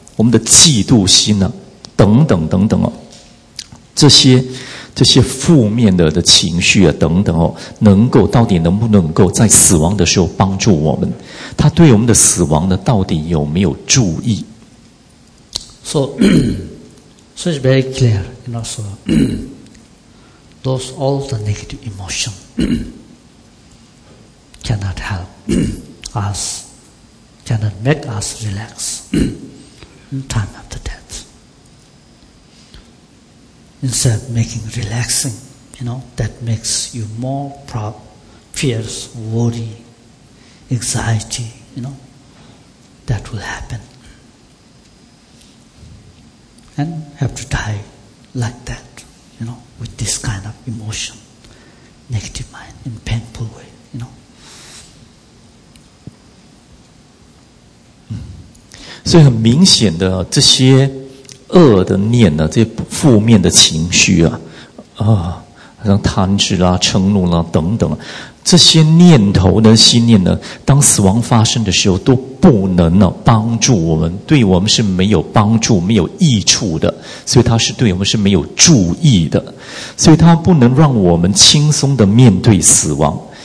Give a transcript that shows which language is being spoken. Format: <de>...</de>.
<zh>我们的嫉妒心呢？等等等等哦，这些负面的情绪啊，等等哦，能够到底能不能够在死亡的时候帮助我们？他对我们的死亡呢，到底有没有注意</zh> <en>？So it's very clear, you know. So those all the negative emotion cannot help us, cannot make us relax in time of the death. Instead, making relaxing, you know, that makes you more fears, worry, anxiety. You know, that will happen. And have to die like that, you know, with this kind of emotion, negative mind, in painful way, you know.</en> <zh>所以很明显的，这些恶的念呢，这些负面的情绪啊，像贪执啦、嗔怒啦等等。这些念头呢心念呢当死亡发生的时候都不能呢帮助我们对我们是没有帮助没有益处的所以它是对我们是没有注意的所以它不能让我们轻松地面对死亡</zh>